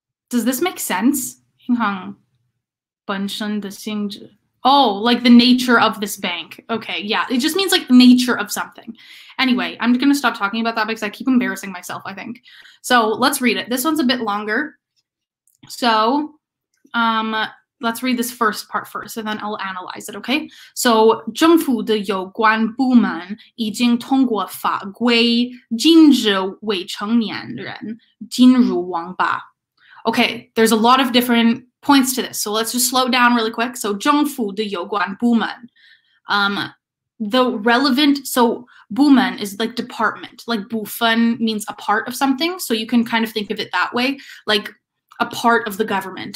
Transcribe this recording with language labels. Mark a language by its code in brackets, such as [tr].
[en] Does this make sense? Hang on. Bunshan Oh, like the nature of this bank. Okay, yeah. It just means like nature of something. Anyway, I'm gonna stop talking about that because I keep embarrassing myself, I think. So let's read it. This one's a bit longer. So let's read this first part first, and then I'll analyze it, okay? [zh] So 政府的有关部门已经通过法规禁止未成年人进入网吧. [en] Okay, there's a lot of different points to this. So let's just slow down really quick. So [zh] 政府的有关部门, [en] the relevant, so 部门 is like department, like 部分 means a part of something. So you can kind of think of it that way, like a part of the government.